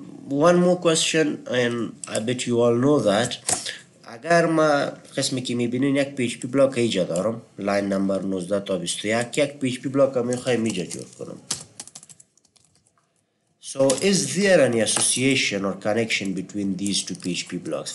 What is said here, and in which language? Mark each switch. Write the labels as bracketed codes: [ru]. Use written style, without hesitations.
[en] One more question, and I bet you all know that. [fa] اگر ما قسمی که میبینین یک PHP بلاک ایجا دارم line number 19 تا 21 یک PHP بلاک میخوایم ایجا جور کنم. [en] So is there any association or connection between these two PHP blocks?